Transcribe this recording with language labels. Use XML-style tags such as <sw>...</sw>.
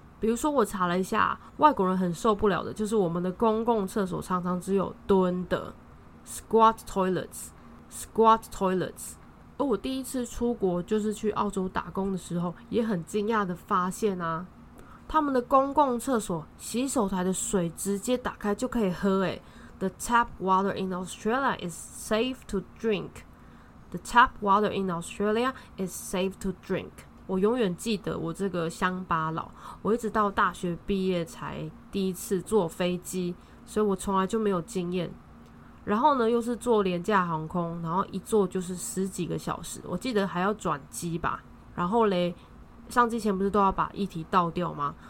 <zh>比如说我查了一下，外国人很受不了的就是我们的公共厕所常常只有蹲的 squat toilets， squat toilets。而我第一次出国就是去澳洲打工的时候，也很惊讶的发现啊，他们的公共厕所洗手台的水直接打开就可以喝耶。</zh> <en>The tap water in Australia is safe to drink. The tap water in Australia is safe to drink.</en> <zh>我永远记得我这个乡巴佬，我一直到大学毕业才第一次坐飞机，所以我从来就没有经验。然后呢，又是坐廉价航空，然后一坐就是十几个小时，我记得还要转机吧。然后嘞，上机前不是都要把液体倒掉吗？</zh>